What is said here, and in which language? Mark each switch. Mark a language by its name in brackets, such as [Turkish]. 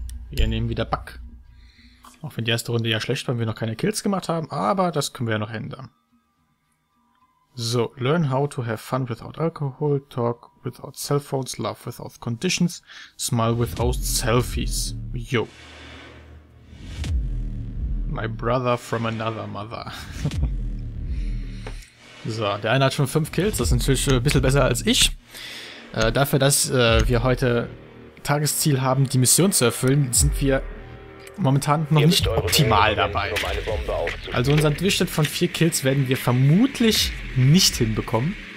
[German] Wieder Bug. Auch wenn die erste Runde ja schlecht war, wenn wir noch keine Kills gemacht haben, aber das können wir ja noch ändern. [English] So, learn how to have fun without alcohol, talk without cell phones, love without conditions, smile without selfies. Yo. My brother from another mother. [German] So, der eine hat schon 5 Kills, das ist natürlich ein bisschen besser als ich. Dafür, dass wir heute Tagesziel haben, die Mission zu erfüllen, sind wir momentan noch nicht optimal dabei. Also unseren Durchschnitt von 4 Kills werden wir vermutlich nicht hinbekommen.